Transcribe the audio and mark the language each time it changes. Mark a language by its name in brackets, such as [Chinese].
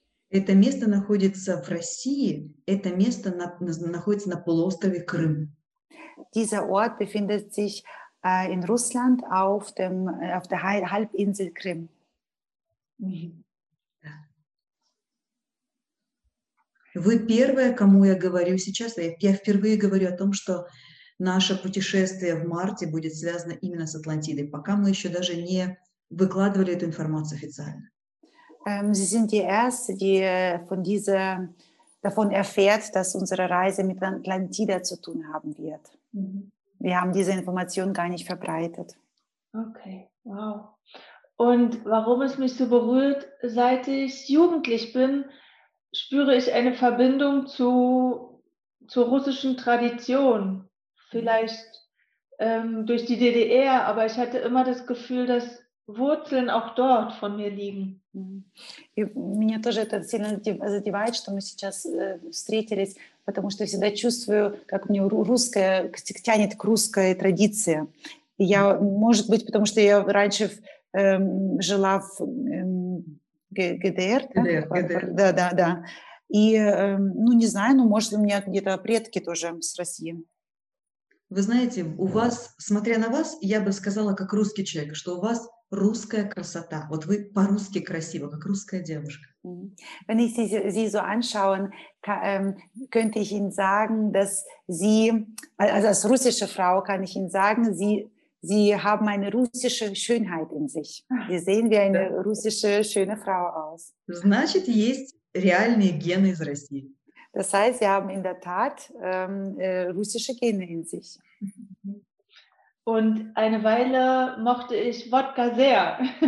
[Russian] Это место находится в России. Это место находится на полуострове Крым. [German] Dieser Ort befindet sich in Russland auf dem auf der Halbinsel Krim. Mhm. [Russian] Вы первая, кому я говорю сейчас. Я впервые говорю о том, что наше путешествие в марте будет связано именно с Атлантидой. Пока мы еще даже не выкладывали эту информацию официально. [German] Sie sind die Erste, die von dieser, davon erfährt, dass unsere Reise mit Atlantida zu tun haben wird. Mhm. Wir haben diese Information gar nicht verbreitet. Okay, wow. Und warum es mich so berührt, seit ich jugendlich bin, spüre ich eine Verbindung zur russischen Tradition. Vielleicht durch die DDR, aber ich hatte immer das Gefühl, dass Wurzeln auch dort von mir liegen. [Russian] Меня тоже это сильно задевает, что мы сейчас встретились, потому что всегда чувствую, как мне русская тянет к русской традиции. Я, может быть, потому что я раньше жила в ГДР, да. И, ну, не знаю, но может у меня где-то предки тоже с России. Вы знаете, у вас, смотря на вас, я бы сказала, как русский человек, что у вас русская красота. Вот вы по-русски красивы, как русская девушка. [German] Wenn ich Sie so anschaue, könnte ich Ihnen sagen, dass Sie, also als russische Frau kann ich Ihnen sagen, Sie haben eine russische Schönheit in sich. Sie sehen wie eine russische schöne Frau aus. [Russian] Значит, есть реальные гены из России. [German] Das heißt, sie haben in der Tat russische Gene in sich. Und eine Weile mochte ich Wodka sehr.